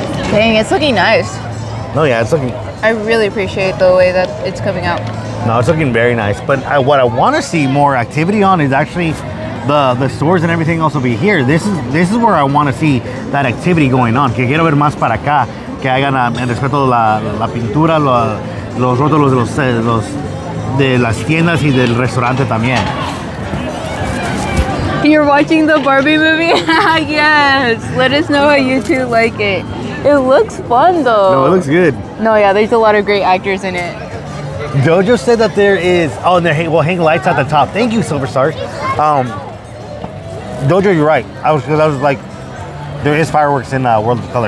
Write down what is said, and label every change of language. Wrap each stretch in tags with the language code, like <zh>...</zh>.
<en>Dang, it's looking nice. No, yeah, it's looking... I really appreciate the way that it's coming out. No, it's looking very nice. But what I want to see more activity on is actually the stores and everything else will be here. This is where I want to see that activity going on.</en> <es>Que quiero ver más para acá. Que hagan el respeto de la pintura, los rótulos de las tiendas y del restaurante también.</es> <en>You're watching the Barbie movie? Yes! Let us know how you two like it. It looks fun though. No, it looks good. No, yeah, there's a lot of great actors in it. Jojo said that there is, oh, and they're hang lights at the top. Thank you, Silver Star. Jojo, you're right. I was like, there is fireworks in World of Color.</en>